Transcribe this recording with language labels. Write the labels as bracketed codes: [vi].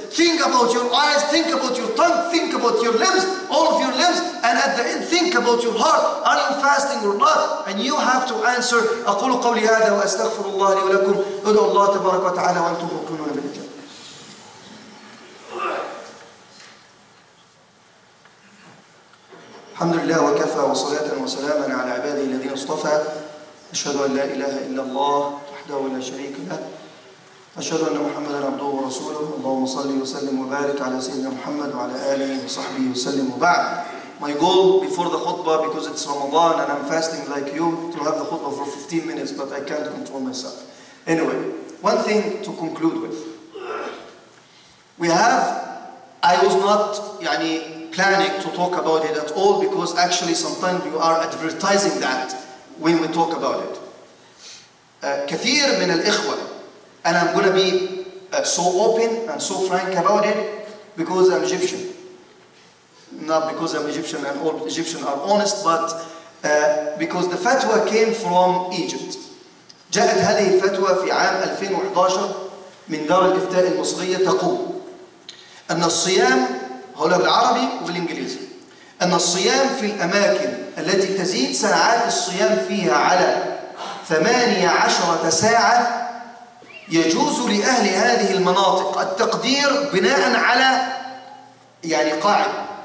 [en] Think about your eyes, think about your tongue, think about your limbs, all of your limbs, and at the end, think about your heart. Are you fasting or not? And you have to answer, [ar] أَقُولُ قَوْلِ هَذَا وَأَسْتَغْفِرُ اللَّهَ لِي وَلَكُمْ أُدْعُوا اللَّهَ تَبَارَكَ وَتَعَالَى وَأَنْتُمْ مُوقِنُونَ بِالنَّجَاةِ. الحمد لله وكفى وصلاة وسلاما على عباده الذين اصطفى. أشهد أن لا إله إلا الله وحده لا شريك له، أشهد أن محمد عبده ورسوله. اللهم صل وسلم وبارك على سيدنا محمد وعلى آله وصحبه وسلم. وبعد، [en] my goal before the khutbah, because it's Ramadan and I'm fasting like you, to have the khutbah for 15 minutes, but I can't control myself. Anyway, one thing to conclude with. I was not planning to talk about it at all, because actually sometimes you are advertising that when we talk about it. [ar] كثير من الإخوة, [en] and I'm going to be so open and so frank about it, because I'm Egyptian. Not because I'm Egyptian and all Egyptians are honest, but because the fatwa came from Egypt. [ar] جاءت هذه الفتوى في عام 2011 من دار الإفتاء المصرية تقول أن الصيام, هو بالعربي وبالإنجليزي, أن الصيام في الأماكن التي تزيد ساعات الصيام فيها على 18 ساعة يجوز لأهل هذه المناطق التقدير بناء على قاعدة.